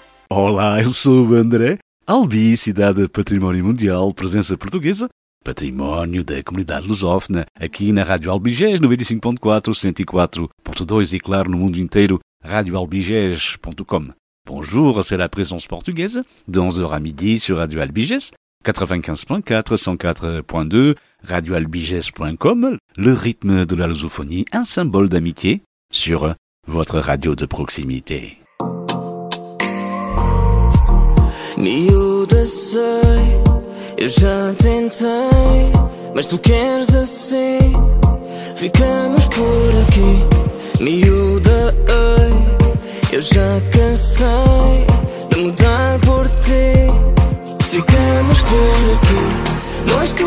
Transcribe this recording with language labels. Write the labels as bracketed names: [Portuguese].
[Portuguese] Olá, eu sou o André, Albi, cidade património mundial, presença portuguesa, património da comunidade lusófona, aqui na Rádio Albigés 95.4, 104.2 e, claro, no mundo inteiro, radioalbigés.com. [French] Bonjour, c'est la présence portugaise, de 11h à midi sur Radio Albigés, 95.4, 104.2, radioalbigés.com, le rythme de la lusophonie, un symbole d'amitié, sur votre radio de proximité. [Portuguese] Miúda, sei, eu já tentei, mas tu queres assim, ficamos por aqui. Miúda, ei, eu já cansei de mudar por ti, ficamos por aqui.